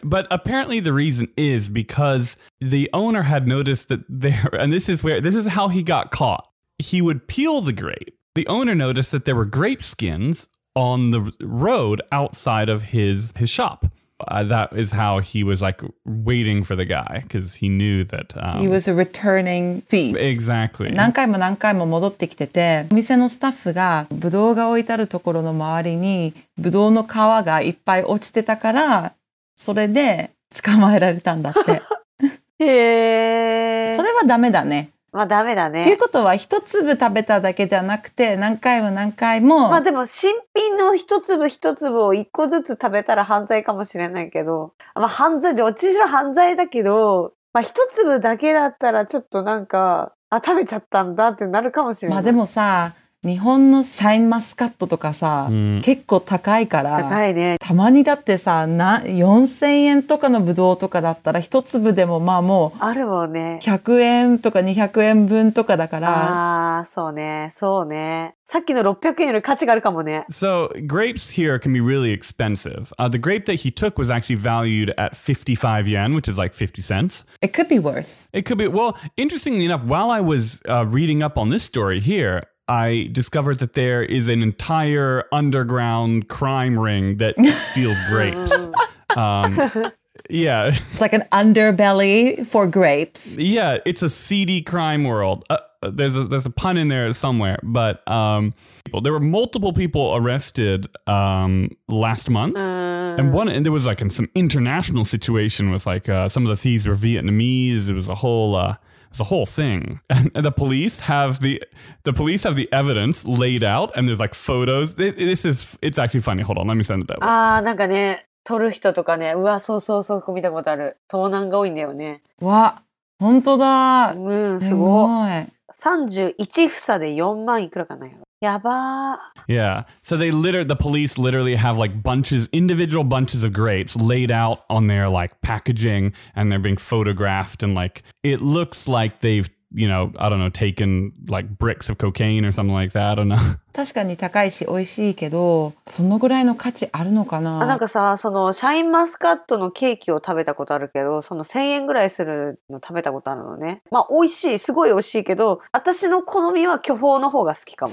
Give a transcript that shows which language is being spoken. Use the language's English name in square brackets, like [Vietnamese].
[English] But apparently the reason is because the owner had noticed that there, and this is how he got caught. He would peel the grape. The owner noticed that there were grape skins on the road outside of his shop. That is how he was like waiting for the guy, because he knew that he was a returning thief. Exactly. [Japanese] 何回も何回も戻ってきてて、お店のスタッフがブドウが置いてあるところの周りにブドウの皮がいっぱい落ちてたから、それで捕まえられたんだって。へー。それはダメだね。まあダメだね。ということは一粒食べただけじゃなくて何回も何回も。まあでも新品の一粒一粒を一個ずつ食べたら犯罪かもしれないけど、まあ犯罪でおちしろ犯罪だけど、まあ一粒だけだったらちょっとなんかあ食べちゃったんだってなるかもしれない。まあでもさ、日本のシャインマスカットとかさ、うん、結構高いから。高いね。たまにだってさ、4000円とかのブドウとかだったら、一粒でもまあもう。あるもんね。 100円とか200円分とかだから。ああ、そうね。そうね。さっきの600円より価値があるかもね。 [English] So, grapes here can be really expensive. The grape that he took was actually valued at 55 yen, which is like 50 cents. It could be worse. It could be. Well, interestingly enough, while I was reading up on this story here,I discovered that there is an entire underground crime ring that steals grapes. Yeah. It's like an underbelly for grapes. Yeah, it's a seedy crime world. There's a pun in there somewhere. But there were multiple people arrested last month. And there was like in some international situation with like some of the thieves were Vietnamese. It was a whole... the whole thing. And the police have the evidence laid out, and there's like photos. It's actually funny. Hold on, let me send it over. [Japanese] Ah, なんかね、撮る人とかね、うわ、そうそうそう、見たことある。盗難が多いんだよね。わ、本当だ。うん、すごい。31房で4万いくらかな。やば。 [English] Yeah, so the police literally have like individual bunches of grapes laid out on their like packaging, and they're being photographed, and like it looks like they've, you know, I don't know, taken like bricks of cocaine or something like that. I don't know. [Japanese] 確かに高いし美味しいけど、そのぐらいの価値あるのかな。あ、なんかさ、そのシャインマスカットのケーキを食べたことあるけど、その1000円ぐらいするの食べたことあるのね。まあ美味しい、すごい美味しいけど、私の好みは巨峰の方が好きかも。